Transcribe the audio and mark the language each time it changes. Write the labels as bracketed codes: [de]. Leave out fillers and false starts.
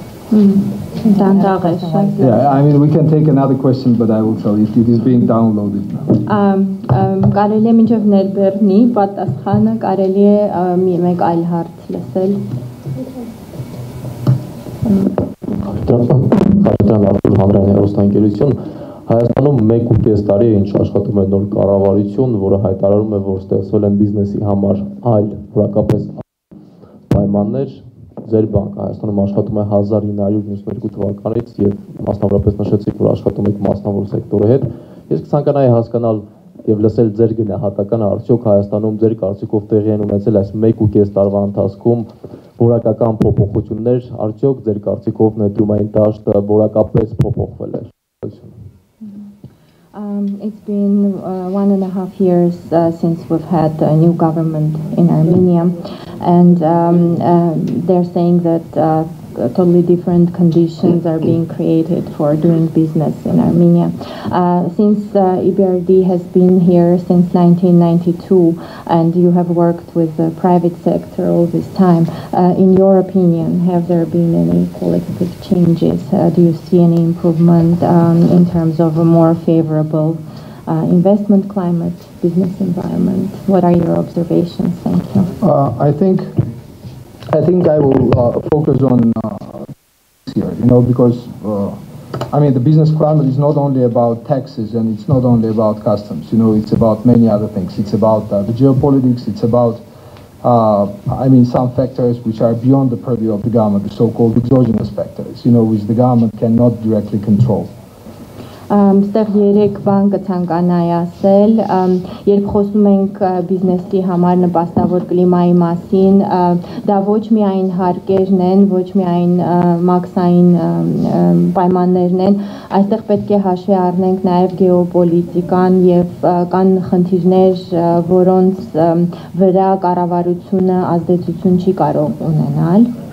[en] Yeah, I mean, we can take another question, but I will tell you, it is being downloaded now. [hy] Կարելի է մինչև ներբեռնի պատասխանը, կարելի է մի մեկ այլ հարց լսել։ Հայաստան Արտուր Հանրային Հեռուստաընկերություն, Հայաստանում 1.5 տարի է ինչ աշխատում է նոր կառավարություն, որը հայտարարում է, որ ստեղծել են բիզնեսի համար այլ որակապես պայմաններ։ Ձեր բանկը Հայաստանում աշխատում է 1992 թվականից եւ մասնավորապես նշեցիք, որ աշխատում եք մասնավոր սեկտորի հետ։ Ես կցանկանայի հասկանալ եւ լսել ձեր գնահատականը, արդյոք Հայաստանում ձեր կարծիքով տեղի են ունեցել այս 1.5 տարվա ընթացքում որակական փոփոխություններ, արդյոք ձեր կարծիքով ներդրումային դաշտը որակապես փոփոխվել է։ [en] It's been 1.5 years since we've had a new government in Armenia, and they're saying that totally different conditions are being created for doing business in Armenia. Since EBRD has been here since 1992, and you have worked with the private sector all this time, in your opinion, have there been any political changes? Do you see any improvement in terms of a more favorable investment climate, business environment? What are your observations? Thank you. I think I will focus on this year, you know, because I mean, the business climate is not only about taxes and it's not only about customs, you know, it's about many other things. It's about the geopolitics, it's about I mean, some factors which are beyond the purview of the government, the so-called exogenous factors, you know, which the government cannot directly control. [hy] Ստեղ երեք բան կցանկանայի ասել։ Երբ խոսում ենք բիզնեսի համար նպաստավոր կլիմայի մասին, դա ոչ միայն հարկերն են, ոչ միայն մաքսային պայմաններն են, այստեղ պետք է հաշվի առնենք նաև գեոպոլիտիկան, եւ կան խնդիրներ, որոնց վրա կառավարությունը ազդեցություն չի կարող ունենալ։